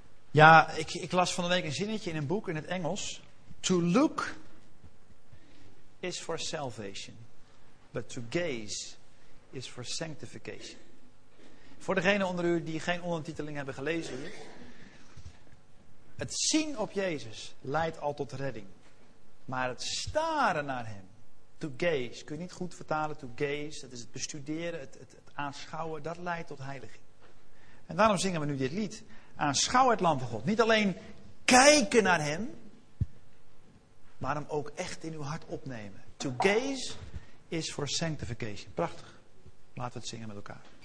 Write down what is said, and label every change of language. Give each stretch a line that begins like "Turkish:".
Dutch: Ja, ik las van de week een zinnetje in een boek in het Engels.
English: To look is for salvation, but to gaze is for sanctification.
Dutch: Voor degene onder u die geen ondertiteling hebben gelezen hier. Het zien op Jezus leidt al tot redding. Maar het staren naar hem,
English: to gaze,
Dutch: kun je niet goed vertalen, to gaze, dat is het bestuderen, het aanschouwen, dat leidt tot heiliging. En daarom zingen we nu dit lied. Aanschouw het Lam van God. Niet alleen kijken naar hem, maar hem ook echt in uw hart opnemen.
English: To gaze is for sanctification.
Dutch: Prachtig. Laten we het zingen met elkaar.